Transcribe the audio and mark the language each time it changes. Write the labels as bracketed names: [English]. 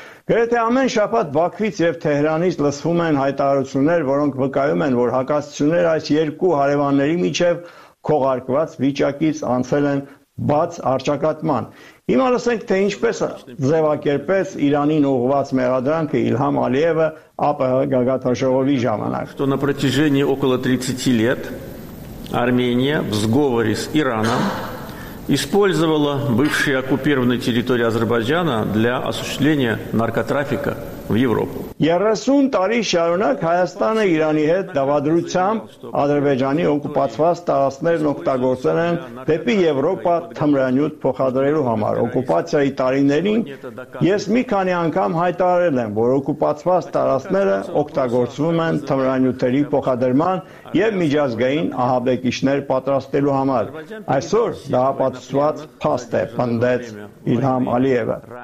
[Armenian] Գրեթե ամեն շաբաթ Բաքվից և Թեհրանից լսվում են հայտարարություններ, որոնք վկայում են, որ հակասությունները այս երկու հարևանների միջև քողարկված վիճակից անցել են բաց արճակատման։ Հիմա լսենք, թե ինչպես ձևակերպեց Իրանին ուղված մեղադրանքը Իլհամ Ալիևը ԱՊՀ գագաթաժողովի ժամանակ։ [Russian] Что на протяжении около 30 лет Армения в сговоре с Ираном использовала бывшие оккупированные территории Азербайджана для осуществления наркотрафика в Европу. [Armenian] Երասուն տարի շարունակ Հայաստանը Իրանի հետ դավադրությամբ Ադրբեջանի օկուպացված տարածքներն օգտագործել են դեպի Եվրոպա թմրանյութ փոխադրելու համար։ Օկուպացիայի տարիներին ես մի քանի անգամ հայտարարել եմ, որ օկուպացված տարածքները օգտագործվում են թմրանյութերի փոխադրման և միջազգային ահաբեկիչներ պատրաստելու համար։ Այսօր դահապատասխանված փաստ է, պնդեց Իլհամ Ալիևը։